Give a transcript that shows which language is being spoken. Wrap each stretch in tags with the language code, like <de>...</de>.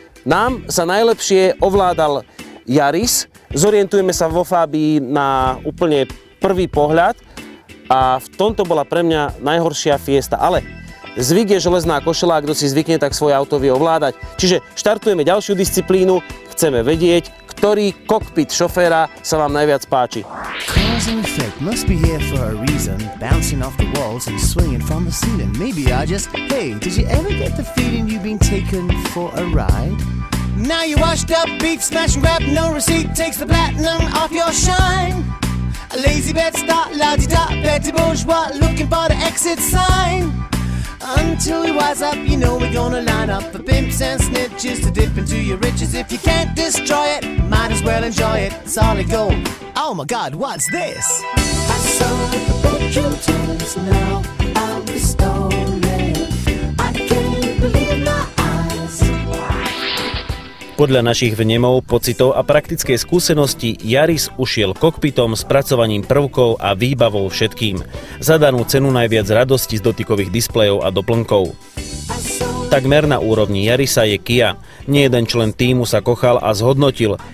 <sk>Nám sa najlepšie ovládal Yaris, zorientujeme sa vo Fabii na úplne prvý pohľad a v tomto bola pre mňa najhoršia Fiesta, ale zvyk je železná košela, kto si zvykne, tak svoje auto vie ovládať. Čiže štartujeme ďalšiu disciplínu, chceme vedieť, ktorý kokpit šoféra sa vám najviac páči.</sk> <en>Cause and effect must be here for a reason. Bouncing off the walls and swinging from the ceiling. Maybe I just, hey, did you ever get the feeling you've been taken for a ride? Now you washed up, beat, smash and grab, no receipt takes the platinum off your shine. A lazy bed start, la-di-da, petty bourgeois, looking for the exit sign. Until we wise up, you know we're gonna line up for pimps and snitches to dip into your riches. If you can't destroy it, might as well enjoy it. Solid gold. Oh my God, what's this? I saw the book you told us, now I'll be stolen. I can't believe my eyes.</en> <sk>Podľa našich vnemov, pocitov a praktickej skúsenosti Yaris ušiel kokpitom, spracovaním prvkov a výbavou všetkým. Za danú cenu najviac radosti z dotykových displejov a doplnkov. Takmer na úrovni Yarisa je Kia. Niejeden člen tímu sa kochal a zhodnotil.</sk>